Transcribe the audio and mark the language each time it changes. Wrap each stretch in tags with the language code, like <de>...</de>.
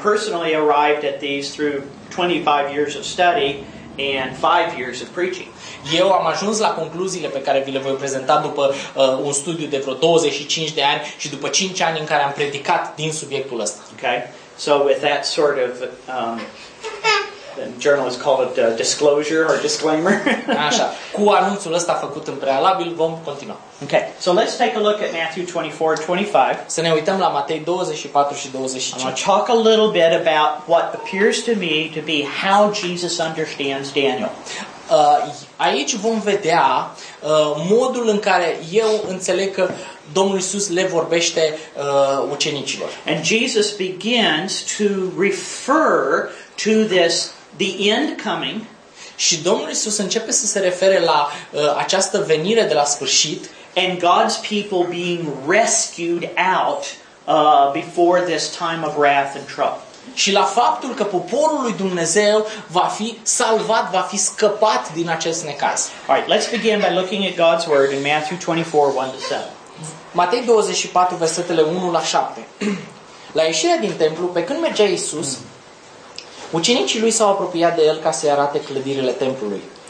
<en>Personally arrived at these through 25 years of study and 5 years of preaching.</en> <ro>Eu am ajuns la concluziile pe care vi le voi prezenta după un studiu de vreo 25 de ani și după 5 ani în care am predicat din subiectul ăsta.</ro> <en>Okay? So with that sort of the journalist called it disclosure or disclaimer.</en> <ro>Așa. Cu anunțul ăsta făcut în prealabil, vom continua.</ro> <en>Okay. So let's take a look at Matthew 24:25.</en> <ro>Să ne uităm la Matei 24 și 25.</ro> <en>I'll talk a little bit about what appears to me to be how Jesus understands Daniel.</en> <ro>Aici vom vedea modul în care eu înțeleg că Domnul Iisus le vorbește ucenicilor.</ro> <en>And Jesus begins to refer to this the end coming.</en> <ro>Și Domnul Iisus începe să se refere la această venire de la sfârșit.</ro> <en>And God's people being rescued out before this time of wrath and trouble.</en> <ro>Și la faptul că poporul lui Dumnezeu va fi salvat, va fi scăpat din acest necaz.</ro> <en>All right, let's begin by looking at God's word in Matthew 24:1-7.</en> <ro>Matei 24, versetele 1-7. La ieșirea din templu, pe când mergea Iisus, ucenicii lui s-au apropiat de el ca să-i arate clădirile templului.</ro>